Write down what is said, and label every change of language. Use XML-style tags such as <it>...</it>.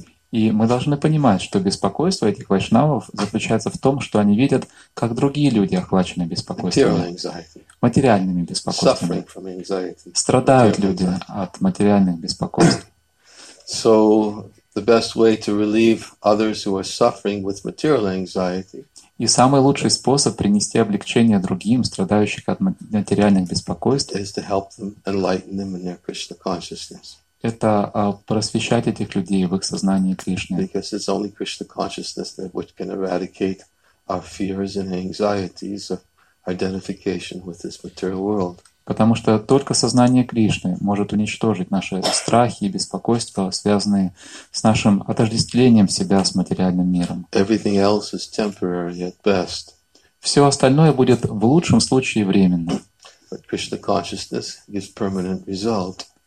<ru>И мы должны понимать, что беспокойство этих вайшнавов заключается в том, что они видят, как другие люди охвачены беспокойствами, материальными беспокойствами. Страдают люди от материальных беспокойств.</ru> <en>So the best way to relieve others who are suffering with material anxiety.</en> <ru>И самый лучший способ принести облегчение другим, страдающим от материальных беспокойств,</ru> <en>is to help them enlighten them in their Krishna consciousness.</en> <ru>Это просвещать этих людей в их сознании Кришны.</ru> <en>Because it's only Krishna consciousness that which can eradicate our fears and anxieties of identification with this material world.</en> <ru>Потому что только сознание Кришны может уничтожить наши страхи и беспокойства, связанные с нашим отождествлением себя с материальным миром.</ru> <en>Everything else is temporary at best.</en> <ru>Все остальное будет в лучшем случае временно.</ru> <en>But Krishna consciousness gives permanent result.</en>